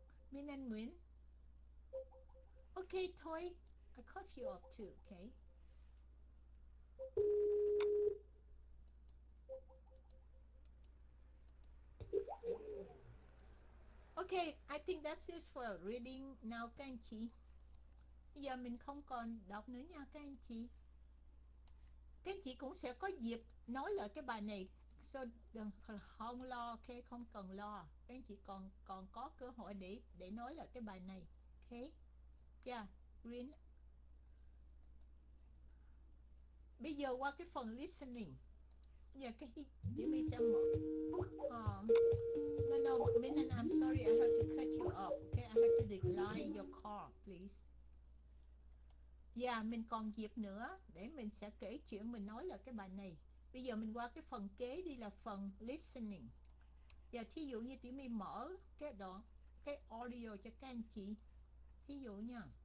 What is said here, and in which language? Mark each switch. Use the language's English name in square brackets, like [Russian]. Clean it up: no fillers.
[Vietnamese] Minh Anh Nguyễn. Okay, thôi. [English] I cut you off too, okay? Okay, I think that's it for reading now, [Vietnamese] các anh chị. Bây giờ mình không còn đọc nữa nha, các anh chị. Các anh chị cũng sẽ có dịp nói lại cái bài này. So, đừng không lo, okay? Không cần lo. Các anh chị còn có cơ hội để nói lại cái bài này. Okay? Yeah, Green. Bây giờ qua cái phần listening. Yeah, cái gì? Mình sẽ mở. [English] No, no, Minh Anh, I'm sorry, I have to cut you off. Okay, I have to decline your call, please. [Vietnamese] Yeah, mình còn dịp nữa để mình sẽ kể chuyện mình nói lại cái bài này. Bây giờ mình qua cái phần kế đi là phần listening. Và thí dụ như Tiểu My mở cái đoạn, cái audio cho các anh chị. Thí dụ nha.